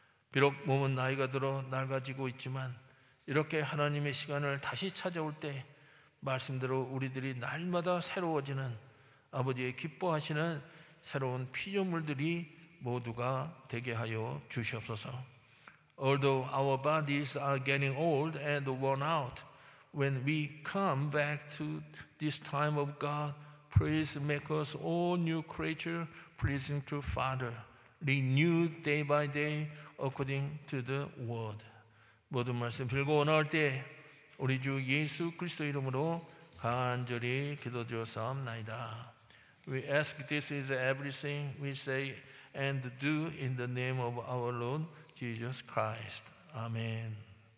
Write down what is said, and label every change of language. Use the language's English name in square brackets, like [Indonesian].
[Korean] 비록 몸은 나이가 들어 낡아지고 있지만 이렇게 하나님의 시간을 다시 찾아올 때 말씀대로 우리들이 날마다 새로워지는 아버지의 기뻐하시는 새로운 피조물들이 모두가 되게 하여 주시옵소서. [English] Although our bodies are getting old and worn out, when we come back to this time of God, please make us all new creatures pleasing to Father, renewed day by day according to the word. [Korean] 모든 말씀 빌고 원할 때 우리 주 예수 그리스도 이름으로 간절히 기도드렸사옵나이다. [English] We ask this is everything we say and do in the name of our Lord Jesus Christ. Amen.